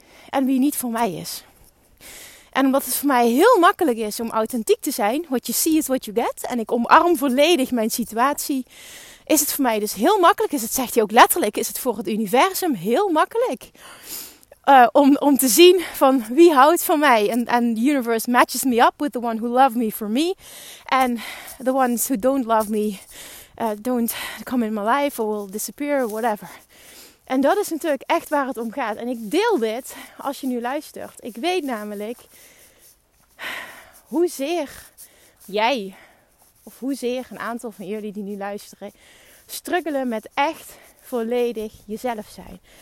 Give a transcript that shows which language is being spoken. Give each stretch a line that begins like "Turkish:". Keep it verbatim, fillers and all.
Dutch: En wie niet voor mij is. En omdat het voor mij heel makkelijk is om authentiek te zijn,
English: what you see is what you get.
Dutch: En ik omarm volledig mijn situatie. Is het voor mij dus heel makkelijk, is het, zegt hij ook letterlijk, is het voor het universum heel makkelijk. Uh, om, om te zien van wie houdt van mij.
English: En and the universe matches me up with the one who love me for me. And the ones who don't love me, uh, don't come in my life or will disappear, whatever.
Dutch: En dat is natuurlijk echt waar het om gaat. En ik deel dit als je nu luistert. Ik weet namelijk hoezeer jij, of hoezeer een aantal van jullie die nu luisteren, struggelen met echt volledig jezelf zijn.